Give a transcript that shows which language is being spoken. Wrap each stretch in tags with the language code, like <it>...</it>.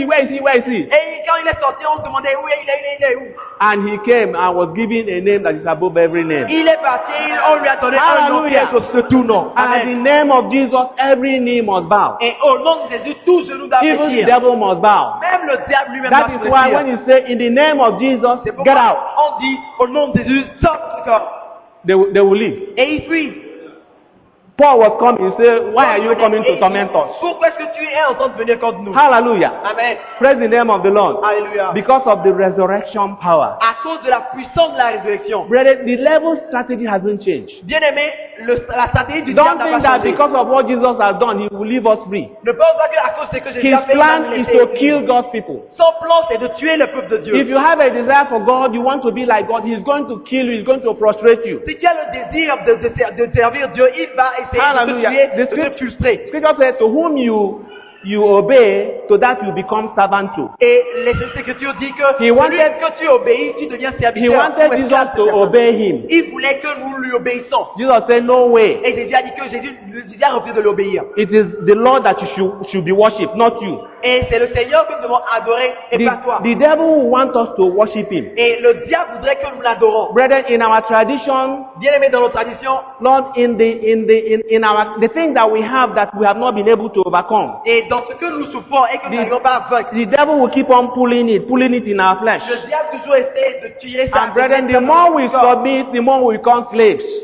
<fr>Et quand il est sorti, on se demandait où est il est où.</fr> <en>And he came and was given a name that is above every name.</en> <fr>Il est parti, on lui a donné un nom qui est au-dessus de tout nom.</fr> <en>And the name of Jesus, every knee must bow.</en> <fr>Et au nom de Jésus, tout genou doit fléchir.</fr> <en>Even the devil must bow.</en> <fr>Même le diable lui-même</fr> <en>That is why when you say in the name of Jesus, get out.</en> <fr>On dit au nom de Jésus, sors.</fr> <en>They will leave.</en> <fr>Et il fuit.</fr> <en>Paul was coming. He said, why are you coming to torment us?</en> <fr>Pourquoi est-ce que tu es en train de venir contre nous? Hallelujah. Amen.</fr> <en>Praise the name of the Lord. Hallelujah. Because of the resurrection power.</en> <fr>À cause de la puissance de la résurrection.</fr> <en>Brother, the level strategy has been changed.</en> <fr>Bien aimé, la stratégie du diable n'a pas changé.</fr> <en>Don't think that because of what Jesus has done, he will leave us free.</en> <fr>Ne pense pas que à cause de ce que Jésus a fait,</fr> <en>his plan is to kill God's people.</en> <fr>Son plan c'est de tuer le peuple de Dieu.</fr> <en>If you have a desire for God, you want to be like God, he's going to kill you, he's going to prostrate you.</en> <fr>Si tu as le désir de servir Dieu, il va</fr> <en>Scripture says, to whom you obey, to that you become servant to.</en> <fr>Et les Écritures dit que celui que tu obéis, tu deviens serviteur.</fr> <en>He wanted Jesus to obey him.</en> <fr>Il voulait que nous lui obéissions.</fr> <en>Jesus said, no way.</en> <fr>Et Jésus a dit que Jésus a refusé de l'obéir.</fr> <en>It is the Lord that you should be worshipped, not you.</en> <fr>Et c'est le Seigneur que nous devons adorer et pas toi.</fr> <en>The devil wants us to worship him.</en> <fr>Et le diable voudrait que nous l'adorons.</fr> <en>Brethren, in our tradition,</en> <fr>bien aimé dans nos traditions,</fr> <en>Lord, in our things that we have that we have not been able to overcome.</en> <fr>Et dans ce que nous souffrons et que nous n'arrivons pas à vaincre.</fr> <en>The devil will keep on pulling it in our flesh.</en> <fr>Le diable toujours essaie de tuer ça.</fr> <en>And brethren, the more we submit, the more we become slaves.</en>